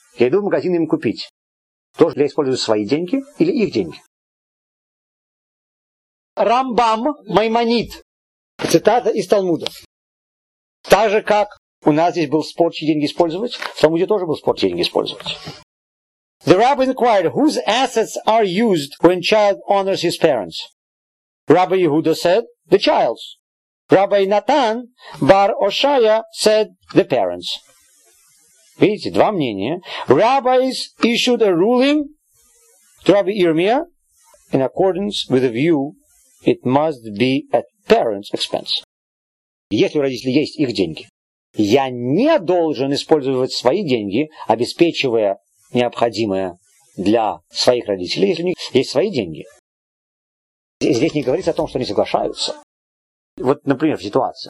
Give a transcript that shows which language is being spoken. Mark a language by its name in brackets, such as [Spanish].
[Russian] Я иду в магазин им купить. Тоже я использую свои деньги или их деньги? Рамбам Маймонид. Цитата из Талмуда. Так же, как у нас здесь был спор, чьи деньги использовать, в Талмуде тоже был спор, чьи деньги использовать. [English] The rabbi inquired, whose assets are used when child honors his parents? Rabbi Yehuda said, the child's. Rabbi Natan bar Oshaya said, the parents. [Russian] Видите, два мнения. [English] Rabbis issued a ruling to Rabbi Irmiya in accordance with the view it must be at parents' expense. [Russian] Если у родителей есть их деньги, я не должен использовать свои деньги, обеспечивая необходимое для своих родителей, если у них есть свои деньги. Здесь не говорится о том, что они соглашаются. Вот, например, в ситуации.